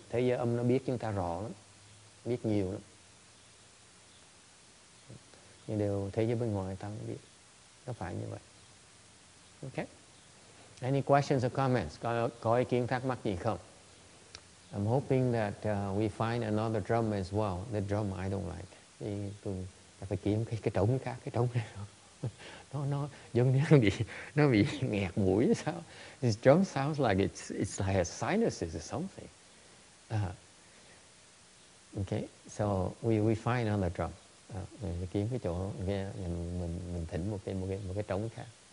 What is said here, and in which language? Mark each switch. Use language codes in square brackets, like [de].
[vi] Thế giới âm nó biết chúng ta rõ lắm, biết nhiều lắm. Nhưng điều thế giới bên ngoài ta không biết. Nó phải như vậy. Okay. [en] Any questions or comments? [vi] Có ý kiến thắc mắc gì không? [en] I'm hoping that we find another drum as well. The drum I don't like. [vi] Thì tôi phải kiếm cái trống khác, cái trống này. No, giống như nó bị nghẹt mũi hay sao? [en] This drum sounds like it's like a sinuses or something. Okay, so we find another drum. [vi] Mình kiếm cái chỗ nghe mình thỉnh một cái trống khác.